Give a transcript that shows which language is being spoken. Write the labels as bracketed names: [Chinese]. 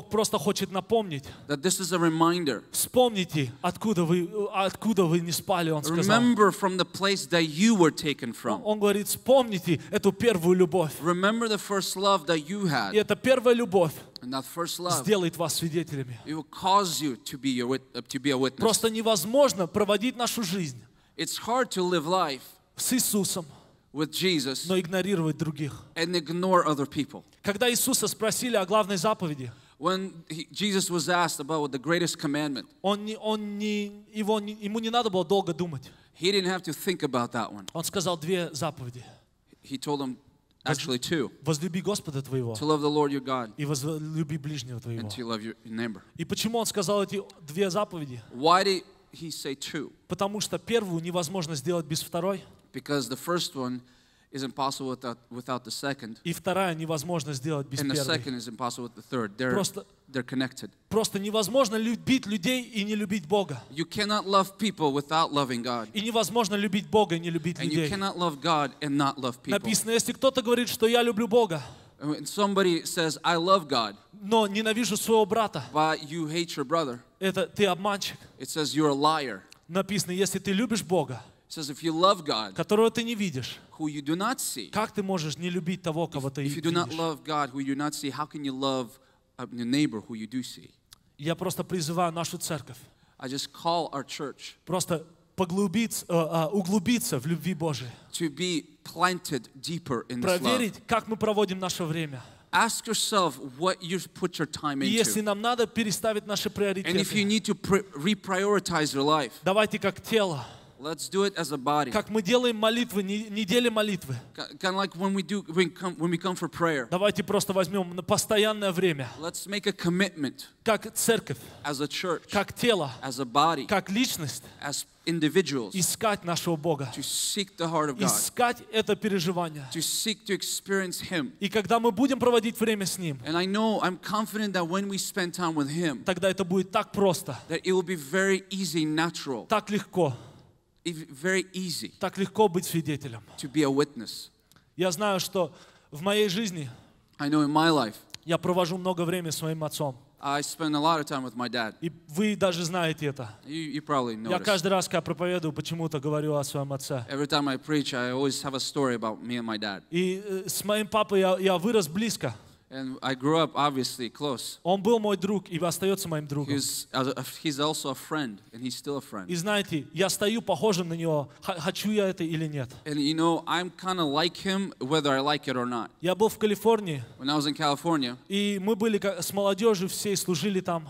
[Russian] Бог просто хочет напомнить. Вспомните, откуда вы не спали, Он сказал. Он говорит, вспомните эту первую любовь. И эта первая любовь [English] And that first love, [Russian] сделает вас свидетелями. [English] It will cause you to be a witness. [Russian] Просто невозможно проводить нашу жизнь. [English] It's hard to live life [Russian] с Иисусом, [English] with Jesus, [Russian] но игнорировать других. [English] And ignore other people. [Russian] Когда Иисуса спросили о главной заповеди, [English] when Jesus was asked about the greatest commandment, [Russian] ему не надо было долго думать. [English] He didn't have to think about that one. [Russian] Он сказал две заповеди. [English] He told him, actually, two. [Russian] Возлюби Господа твоего. [English] To love the Lord your God. [Russian] И возлюби ближнего твоего. [English] And to love your neighbor. [Russian] И почему он сказал эти две заповеди? [English] Why did he say two? [Russian] Потому что первую невозможно сделать без второй. [English] Because the first one is impossible without the second. [Russian] И вторая невозможно сделать без первой. [English] And the second is impossible with the third. They're connected. [Russian] Просто невозможно любить людей и не любить Бога. [English] You cannot love people without loving God. [Russian] И невозможно любить Бога и не любить людей. [English] And you cannot love God and not love people. [Russian] Написано, если кто-то говорит, что я люблю Бога, [English] when somebody says I love God, [Russian] но ненавижу своего брата, [English] but you hate your brother, [Russian] это ты обманщик. [English] It says you're a liar. [Russian] Написано, если ты любишь Бога, [English] it says if you love God, [Russian] которого ты не видишь, [English] who you do not see, [Russian] как ты можешь не любить того, кого ты видишь? [English] If you do not love God, who you do not see, how can you love the neighbor who you do see? [Russian] Я просто призываю нашу церковь. [English] I just call our church. [Russian] Просто углубиться в любви Божией. [English] To be planted deeper in this love. [Russian] Проверить, как мы проводим наше время. [English] Ask yourself what you put your time into. [Russian] Если нам надо переставить наши приоритеты. [English] And if you need to reprioritize your life. [Russian] Давайте как тело. [English] Let's do it as a body. [Russian] Как мы делаем молитвы, недели молитвы. [English] Kind of like when we come for prayer. [Russian] Давайте просто возьмем на постоянное время. [English] Let's make a commitment. [Russian] Как церковь. [English] As a church. [Russian] Как тело. [English] As a body. [Russian] Как личность. [English] As individuals. [Russian] Искать нашего Бога. [English] To seek the heart of God. [Russian] Искать это переживание. [English] To seek to experience Him. [Russian] И когда мы будем проводить время с Ним. [English] And I know, I'm confident that when we spend time with Him. [Russian] Тогда это будет так просто. [English] That it will be very easy, natural. [Russian] Так легко. [English] Very easy. [Russian] Так легко быть свидетелем. [English] To be a witness. [Russian] Я знаю, что в моей жизни. [English] I know in my life. [Russian] Я провожу много времени с моим отцом. [English] I spend a lot of time with my dad. [Russian] И вы даже знаете это. [English] You probably notice. [Russian] Я каждый раз, когда проповедую, почему-то говорю о своем отце. [English] Every time I preach, I always have a story about me and my dad. [Russian] И с моим папой я вырос близко. [English] And I grew up obviously close. [Russian] Он был мой друг и остается моим другом. [English] He's also a friend, and he's still a friend. [Russian] И знаете, я стою похожим на него, хочу я это или нет. [English] And you know, I'm kind of like him, whether I like it or not. [Russian] Я был в Калифорнии. [English] When I was in California. [Russian] И мы были с молодежью всей служили там.